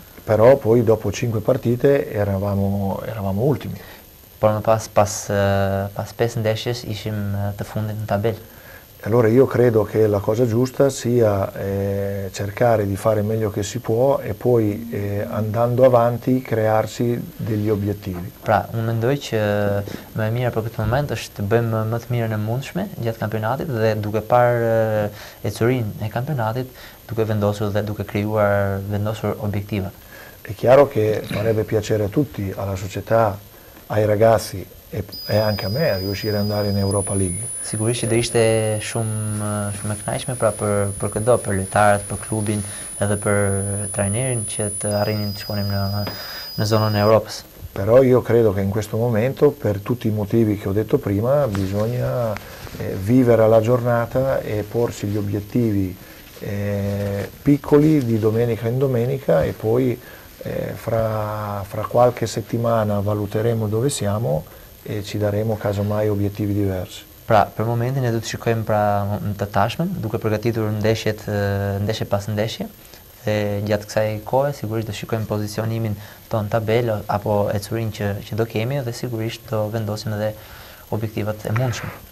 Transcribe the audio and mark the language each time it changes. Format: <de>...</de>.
<it>Però poi dopo 5 partite eravamo ultimi.</it> <sq>Por më pas 5 ndeshjes ishim të fundit në tabelë.</sq> <it>Allora io credo che la cosa giusta sia cercare di fare meglio che si può e poi andando avanti crearsi degli obiettivi.</it> <sq>Pra, unë mendoj që më e mira për këtë moment është të bëjmë më të mirën e mundshme gjatë kampionatit dhe duke parë ecurinë e kampionatit, duke vendosur dhe duke vendosur obiettivat.</sq> <it>È chiaro che farebbe piacere a tutti, alla società, ai ragazzi e anche a me riuscire ad andare in Europa League.</it> <sq>Sigurisht do ishte shumë e kënaqshme pra për këdo, për lojtarët, për klubin edhe për trajnerin që të arrinin të shkonim në zonën e Europës.</sq> <it>Però io credo che in questo momento, per tutti i motivi che ho detto prima, bisogna vivere alla giornata e porsi gli obiettivi piccoli di domenica in domenica e poi fra qualche settimana valuteremo dove siamo e ci daremo casomai obiettivi diversi.</it> <sq>Pra,</sq> <it>per il momento</it> <sq>ne do të shikojmë pra të tashmen, duke përgatitur ndeshje pas ndeshje, dhe gjatë kësaj kohe sigurisht do shikojmë pozicionimin ton tabelë apo ecurinë që do kemi dhe sigurisht do vendosim edhe objektivat e mundshme.</sq>